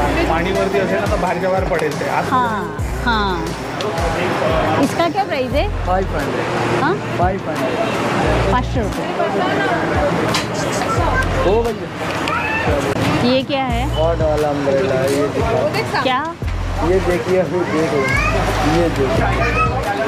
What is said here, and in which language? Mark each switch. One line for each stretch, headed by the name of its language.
Marathi: पाणीवरती असेल ना तर भारी जवार पडेल ते.
Hindi: हां हां, इसका क्या प्राइस है? 500 रुपये. ये क्या है? फोर्ड वाला अम्ब्रेला है. ये क्या? ये देखिए, अभी देखो, ये देखो,